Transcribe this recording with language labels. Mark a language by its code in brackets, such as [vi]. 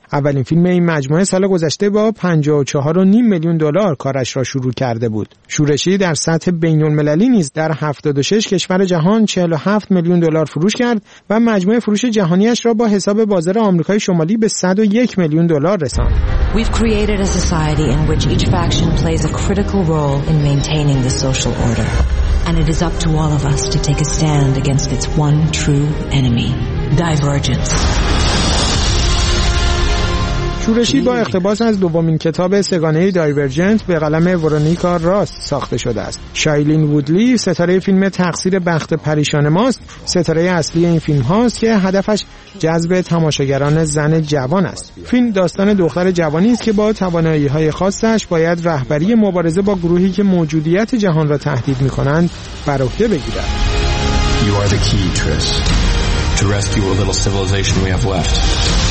[fa] اولین فیلم این مجموعه سال گذشته با 54.5 میلیون دلار کارش را شروع کرده بود. شورشی در سطح بین‌المللی نیز در 76 کشور جهان 47 میلیون دلار فروش کرد و مجموعه فروش جهانیش را با حساب بازار آمریکای شمالی به 101 میلیون دلار رساند. [en] We've created a society in which each faction plays a critical role in maintaining the social order. And it is up to all of us to take a stand against its one true enemy, divergence. [fa] شورشی با اقتباس از دومین کتاب سگانه دایورجنت به قلم ورونیکا راست ساخته شده است. شایلین وودلی ستاره فیلم تقصیر بخت پریشان ماست، ستاره اصلی این فیلم هاست که هدفش جذب تماشاگران زن جوان است. فیلم داستان دختر جوانی است که با توانایی های خاصش باید رهبری مبارزه با گروهی که موجودیت جهان را تهدید می کنند بر عهده بگیرد. [en] You are the key, Triss, to rescue a little civilization we have left.